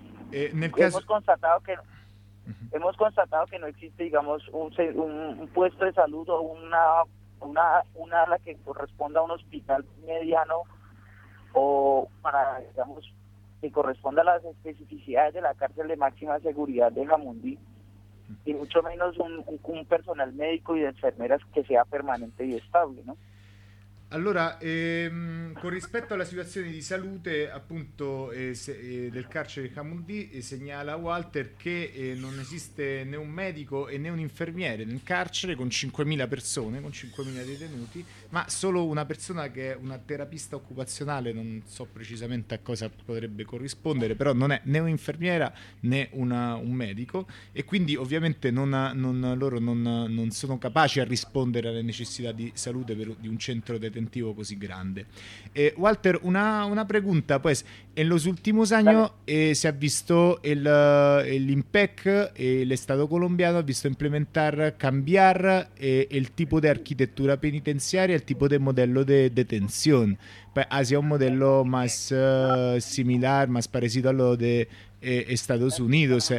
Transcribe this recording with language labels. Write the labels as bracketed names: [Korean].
[Spanish] Hemos constatado que... Uh-huh. Hemos constatado que no existe, digamos, un puesto de salud o una ala que corresponda a un hospital mediano o para, digamos, que corresponda a las especificidades de la cárcel de máxima seguridad de Jamundí, uh-huh, y mucho menos un personal médico y de enfermeras que sea permanente y estable, ¿no? [Italian] Allora, con rispetto alla situazione di salute appunto del carcere Camundì, segnala Walter che non esiste né un medico e né un infermiere nel carcere con 5.000 persone, con 5.000 detenuti, ma solo una persona che è una terapista occupazionale, non so precisamente a cosa potrebbe corrispondere, però non è né un'infermiera né un medico, e quindi ovviamente loro non sono capaci a rispondere alle necessità di salute di un centro detenuto così grande. [Spanish] Walter, una pregunta, pues, en los últimos años se ha visto el IMPEC, el Estado colombiano ha visto implementar, cambiar el tipo de arquitectura penitenciaria, el tipo de modelo de detención, hacia un modelo más similar, más parecido a lo de Estados Unidos.